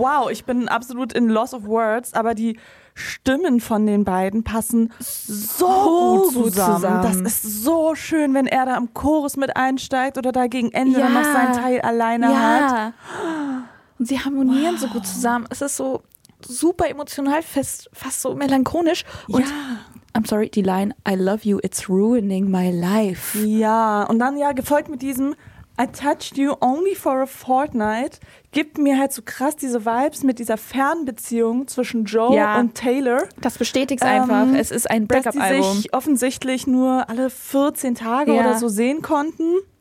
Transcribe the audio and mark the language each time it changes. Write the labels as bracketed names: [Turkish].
[German] Ich bin absolut [English] in loss of words, [German] aber die Stimmen von den beiden passen so gut zusammen. Das ist so schön, wenn er da im Chorus mit einsteigt oder da gegen Ende noch seinen Teil alleine hat. Und sie harmonieren so gut zusammen. Es ist so super emotional, fast so melancholisch. [English] Und I'm sorry, die Line, I love you, it's ruining my life. [German] Ja, und dann ja gefolgt mit diesem, [English] I touched you only for a fortnight, [German] gibt mir halt so krass diese Vibes mit dieser Fernbeziehung zwischen Joe und Taylor. Das bestätigt einfach, es ist ein Backup-Album. Dass sie sich offensichtlich nur alle 14 Tage oder so sehen konnten.